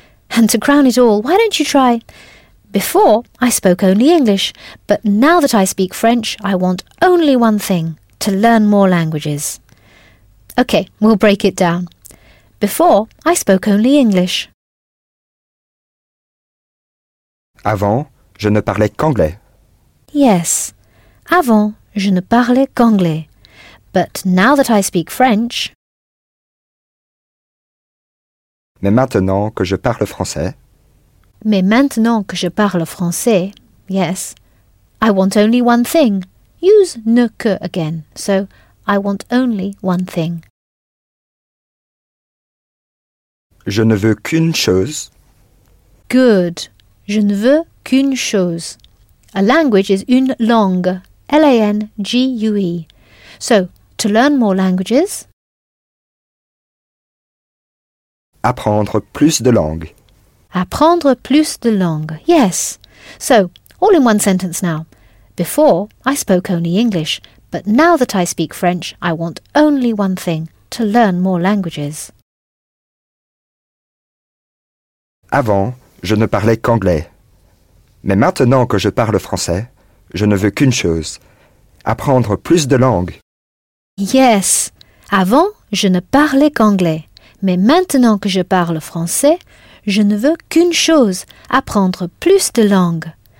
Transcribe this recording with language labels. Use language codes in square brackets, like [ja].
[en] And to crown it all, why don't you try? Before, I spoke only English, but now that I speak French, I want only one thing, to learn more languages. Okay, we'll break it down. Before, I spoke only English. [fr] Avant, je ne parlais qu'anglais. Yes, avant, je ne parlais qu'anglais. [en] But now that I speak French... [fr] Mais maintenant que je parle français. Mais maintenant que je parle français, yes. [en] I want only one thing. Use ne que again. So, I want only one thing. [fr] Je ne veux qu'une chose. Good. Je ne veux qu'une chose. [en] A language is une langue. L-A-N-G-U-E. So, to learn more languages... [fr] Apprendre plus de langues. Apprendre plus de langues, yes. [en] So, all in one sentence now. Before, I spoke only English, but now that I speak French, I want only one thing, to learn more languages. [fr] Avant, je ne parlais qu'anglais. Mais maintenant que je parle français, je ne veux qu'une chose. Apprendre plus de langues. [en] Yes. [fr] Avant, je ne parlais qu'anglais. Mais maintenant que je parle français, je ne veux qu'une chose, apprendre plus de langues.